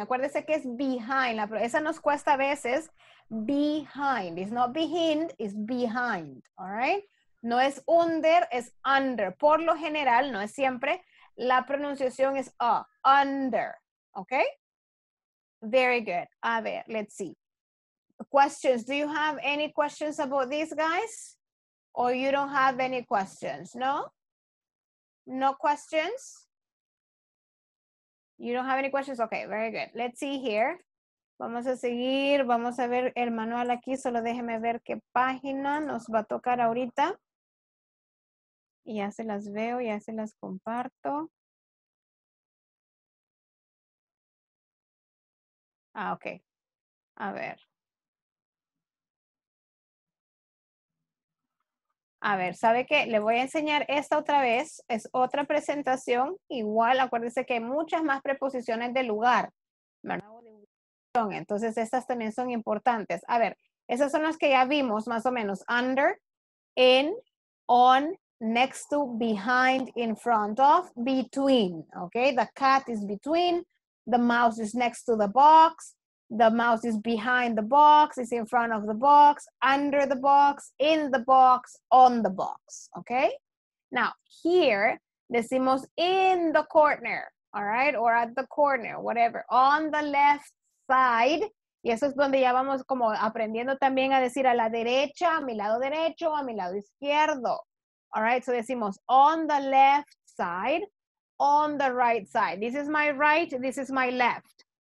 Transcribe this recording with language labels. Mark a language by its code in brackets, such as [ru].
[es] Acuérdese que es behind. Esa nos cuesta a veces. Behind. [en] It's not behind, it's behind. All right? [es] No es under, es under. Por lo general, no es siempre, la pronunciación es under. [en] Okay? Very good. A ver, let's see. Questions. Do you have any questions about these guys? Or you don't have any questions? No? No questions? You don't have any questions? Okay, very good. Let's see here. [es] Vamos a seguir. Vamos a ver el manual aquí. Solo déjeme ver qué página nos va a tocar ahorita. Y ya se las veo, ya se las comparto. Ah, okay. A ver. A ver, ¿sabe qué? Le voy a enseñar esta otra vez. Es otra presentación. Igual, acuérdense que hay muchas más preposiciones de lugar, ¿verdad? Entonces, estas también son importantes. A ver, esas son las que ya vimos, más o menos. [en] Under, in, on, next to, behind, in front of, between. Okay, the cat is between, the mouse is next to the box, The mouse is behind the box, it's in front of the box, under the box, in the box, on the box, okay? Now, here, decimos in the corner, all right? Or at the corner, whatever, on the left side. [es] Y eso es donde ya vamos como aprendiendo también a decir a la derecha, a mi lado derecho, a mi lado izquierdo. [en] All right, so decimos on the left side, on the right side. This is my right, this is my left.